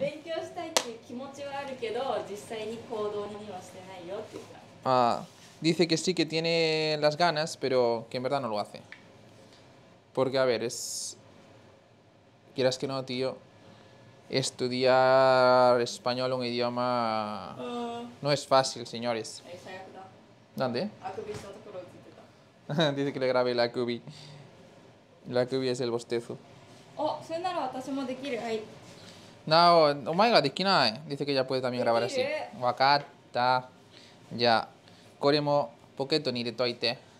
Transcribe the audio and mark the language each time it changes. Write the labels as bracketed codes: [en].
[ja] 勉強したいっていう気持ちはあるけど、実際に行動にはしてないよって言った。 [es] ああ、dice que sí que tiene las ganas, pero que en verdad no lo hace. Porque, a ver, es. Quieras que no, tío. Estudiar español, un idioma. No es fácil, señores. [ja] え、最悪だ。 [es] ¿Dónde? [ja] あくびしたところ映ってた。 [es] Dice que le grabé la cubi. La cubi es el bostezo. [ja] お、それなら私もできる。はい。 [es] No, [en] o my god, [ja] できない。 [es] Dice que ya puede también [ja] でき [es] grabar así. [ja] る。わかった。ya. これもポケットに入れといて。